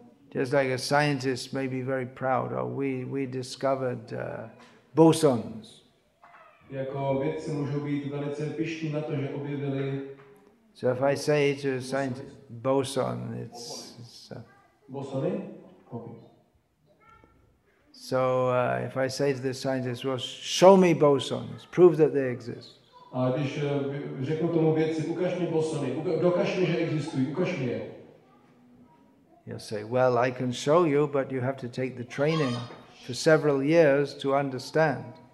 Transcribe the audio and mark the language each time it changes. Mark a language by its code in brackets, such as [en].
[en] Just like a scientist may be very proud, or we discovered bosons. [cs] Jako vědci můžou být velice pyšní na to, že objevili. [en] So if I say to a scientist boson, it's [cs] bosony? Okay. [en] So if I say to the scientist, well, show me bosons, prove that they exist. [cs] A když řeknu tomu vědci, ukaž mi bosony, dokaž mi, že existují, ukaž mi je. [en] You'll say, well, I can show you, but you have to take the training for several years to understand.